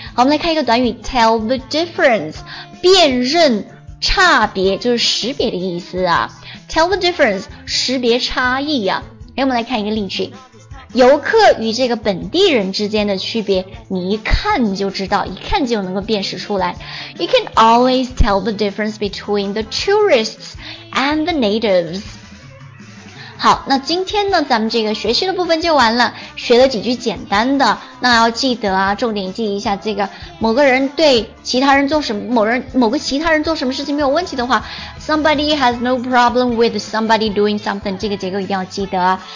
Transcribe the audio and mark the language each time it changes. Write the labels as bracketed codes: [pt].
[zh] 好，我们来看一个短语， tell the difference. 辨认差别就是识别的意思啊。 Tell the difference, 识别差异啊。让我们来看一个例句。游客与这个本地人之间的区别，你一看就知道，一看就能够辨识出来。 [en] You can always tell the difference between the tourists and the natives. [zh] 好，那今天呢，咱们这个学习的部分就完了，学了几句简单的。那要记得啊，重点记一下这个，某个人对其他人做什么，某个其他人做什么事情没有问题的话， [en] somebody has no problem with somebody doing something， [zh] 这个结构一定要记得啊。